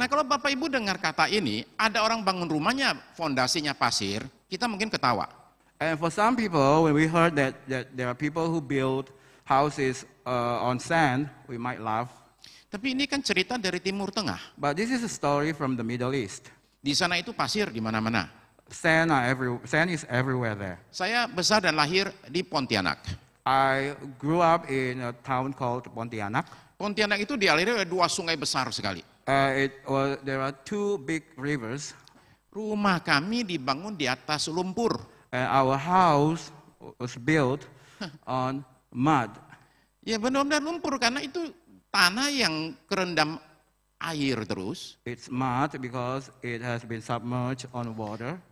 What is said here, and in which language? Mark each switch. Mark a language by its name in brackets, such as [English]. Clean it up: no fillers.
[Indonesian] Nah, kalau Bapak Ibu dengar kata ini, ada orang bangun rumahnya fondasinya pasir, kita mungkin ketawa. [English] And for some people, when we heard that there are people who build houses on sand, we might laugh. [Indonesian] Tapi ini kan cerita dari Timur Tengah. [English] But this is a story from the Middle East. [Indonesian] Di sana itu pasir di mana-mana. [English] Sand is everywhere there. [Indonesian] Saya besar dan lahir di Pontianak. [English] I grew up in a town called Pontianak. [Indonesian] Pontianak itu dialiri oleh dua sungai besar sekali. [English] There are two big rivers. [Indonesian] Rumah kami dibangun di atas lumpur. [English] Our house was built on mud. [Indonesian] Ya benar-benar lumpur karena itu tanah yang kerendam air terus. [English] It's mud because it has been submerged on water.